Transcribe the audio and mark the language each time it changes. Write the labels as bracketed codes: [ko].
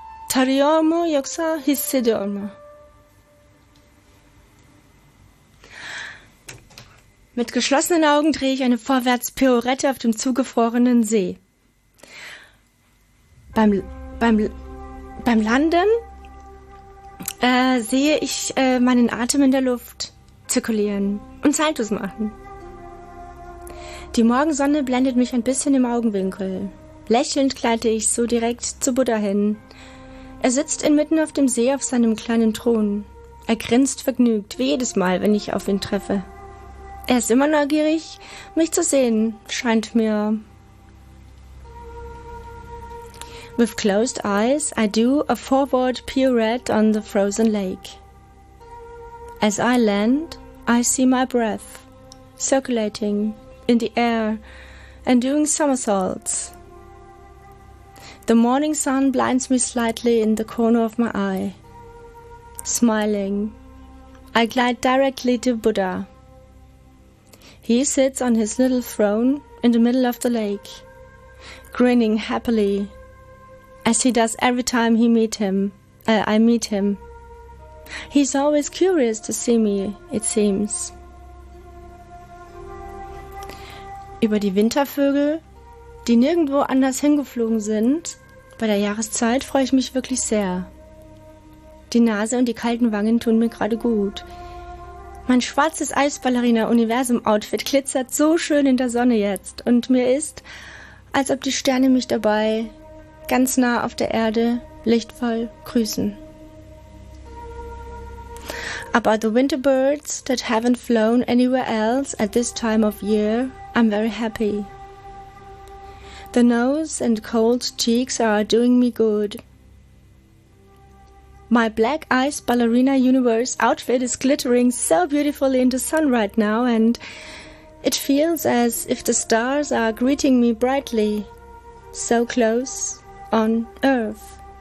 [tr] Tarıyor mu yoksa hissediyor mu? [de] Mit geschlossenen Augen drehe ich eine Vorwärts-Pirouette auf dem zugefrorenen See. Beim Landen sehe ich meinen Atem in der Luft zirkulieren und Saltos machen. Die Morgensonne blendet mich ein bisschen im Augenwinkel. Lächelnd gleite ich so direkt zu Buddha hin. Er sitzt inmitten auf dem See auf seinem kleinen Thron. Er grinst vergnügt, wie jedes Mal, wenn ich auf ihn treffe. Er ist immer neugierig, mich zu sehen, scheint mir. [en] With closed eyes, I do a forward pirouette on the frozen lake. As I land, I see my breath circulating in the air and doing somersaults. The morning sun blinds me slightly in the corner of my eye. Smiling, I glide directly to Buddha. He sits on his little throne in the middle of the lake, grinning happily, as he does every time I meet him. He's always curious to see me, it seems. [de] Über die Wintervögel, die nirgendwo anders hingeflogen sind, bei der Jahreszeit freue ich mich wirklich sehr. Die Nase und die kalten Wangen tun mir gerade gut. Mein schwarzes Eisballerina-Universum-Outfit glitzert so schön in der Sonne jetzt und mir ist, als ob die Sterne mich dabei ganz nah auf der Erde lichtvoll grüßen. [en] About the winter birds that haven't flown anywhere else at this time of year, I'm very happy. The nose and cold cheeks are doing me good. My black ice ballerina universe outfit is glittering so beautifully in the sun right now, and it feels as if the stars are greeting me brightly, so close on Earth.